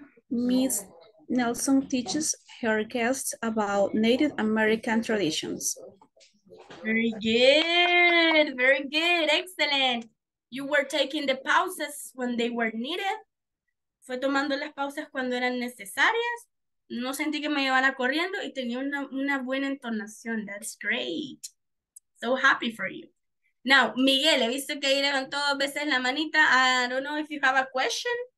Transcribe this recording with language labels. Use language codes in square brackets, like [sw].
[en] Miss Nelson teaches her guests about Native American traditions. Very good, very good, excellent. You were taking the pauses when they were needed. [es] Fue tomando las pausas cuando eran necesarias. No sentí que me llevara corriendo y tenía una buena entonación. [en] That's great. So happy for you. [es] Now, Miguel, he visto que ahí levantó dos veces la manita. [en] I don't know if you have a question.